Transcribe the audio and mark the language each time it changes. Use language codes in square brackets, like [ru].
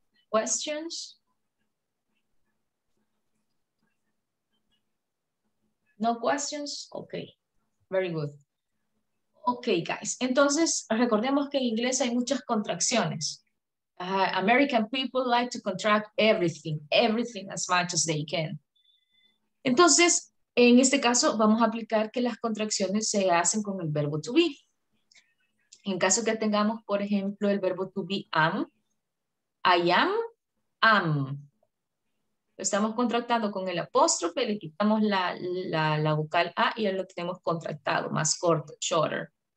[en] Questions? No questions? Ok, very good. Ok, guys. [es] Entonces, recordemos que en inglés hay muchas contracciones. [en] American people like to contract everything, everything as much as they can. [es] Entonces, en este caso, vamos a aplicar que las contracciones se hacen con el verbo to be. En caso que tengamos, por ejemplo, el verbo to be am, I am, am. Estamos contractando con el apóstrofe, le quitamos la vocal A y ya lo tenemos contractado, más corto, shorter.